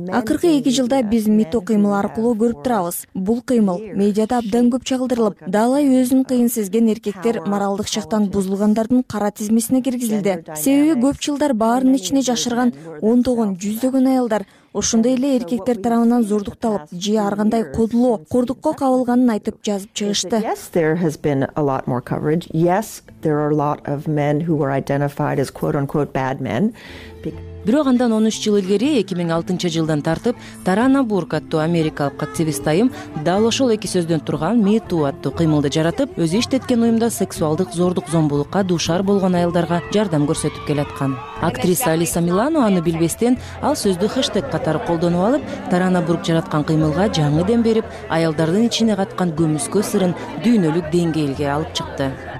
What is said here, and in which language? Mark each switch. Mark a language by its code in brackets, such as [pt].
[ky] Акыркы 2 жылда биз мету кыймылы аркылуу көрүп турабыз. Бул кыймыл медиада абдан көп чагылдырылып, Дала өзүн кыйын сезген эркектер моралдык жактан бузулгандардын кара тизмесине киргизилди. Себеби көп жылдар баарын ичине жашырган ондогон, жүздөгөн аялдар ошондой эле эркектер тарабынан зордукталып же ар кандай кодлоо, кордукко кабылганын айтып жазып чыгышты. [en] Yes, there has been a lot more coverage. Yes, there are a lot of men who were identified as quote-unquote bad men. [ky] Бирок андан 13 жыл илгери 2006 жылдан тартып Тарана Бурк аттуу америкалык активист айым дал ошол эки сөздөн турган митуу аттуу кыймылды жаратып, өзү иштеткен уюмда сексуалдык зордук зомбулукка дуушар болгон аялдарга жардам көрсөтүп келаткан. Актриса Алиса Милано аны билбестен ал сөздү хэштег катары колдонуп алып, Тарана Бурк жараткан кыймылга жаңы дем берип, аялдардын ичине каткан көмүскө сырын дүйнөлүк деңгээлге алып чыкты.